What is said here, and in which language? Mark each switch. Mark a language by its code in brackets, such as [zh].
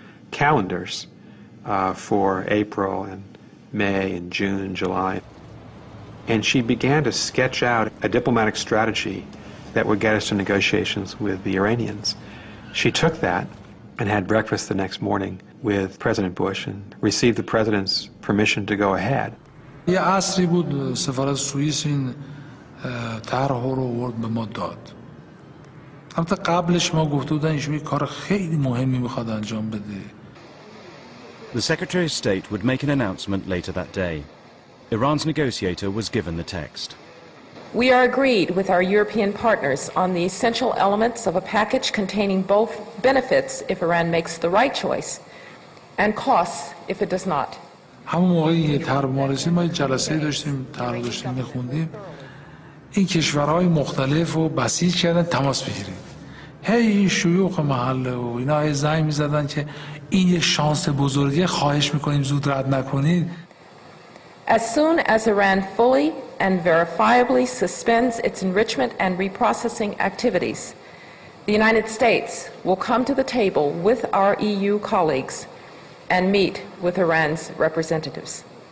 [en] calendars for April and May and June, July. And she began to sketch out a diplomatic strategy that would get us to negotiations with the Iranians. She took that and had breakfast the next morning with President Bush and received the president's permission to go ahead. [fa] یه عصری بود سفارت سوئیس این طرح رو ورد به ما داد. البته قبلش ما گفته بودن ایشون یه کار خیلی مهمی میخواد انجام بده. [en] The Secretary of State would make an announcement later that day. Iran's negotiator was given the text. We are agreed with our European partners on the essential elements of a package containing both benefits if Iran makes the right choice and costs if it does not. [fa] همون موقعی یه طرح ما رسید، ما یه جلسه داشتیم، طرح داشتیم، میخوندیم. این کشورهای مختلف رو بسیج کردن تماس بگیرید. هی این شیوخ محله و اینا های زنگ میزدن که این یه شانس بزرگیه، خواهش میکنیم زود رد نکنید. [en] As soon as Iran fully and verifiably suspends its enrichment and reprocessing activities, the United States will come to the table with our EU colleagues and meet with Iran's representatives.